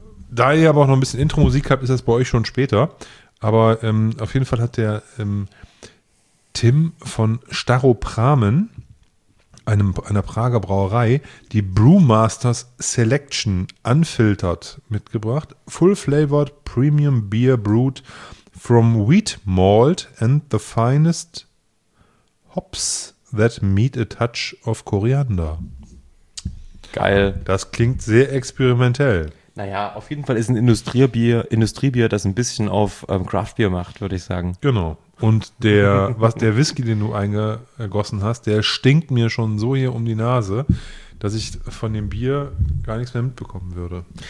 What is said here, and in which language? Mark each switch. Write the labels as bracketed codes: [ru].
[de] Da ihr aber auch noch ein bisschen Intro-Musik habt, ist das bei euch schon später. Aber auf jeden Fall hat der Tim von Staropramen, einer Prager Brauerei, die Brewmasters Selection unfiltert mitgebracht. [en] Full-flavored premium beer brewed from wheat malt and the finest hops that meet a touch of coriander. [de] Geil. Das klingt sehr experimentell. Naja, auf jeden Fall ist ein Industriebier, das ein bisschen auf Craftbier macht, würde ich sagen. Genau. Und der Whisky, den du eingegossen hast, der stinkt mir schon so hier um die Nase, dass ich von dem Bier gar nichts mehr mitbekommen würde.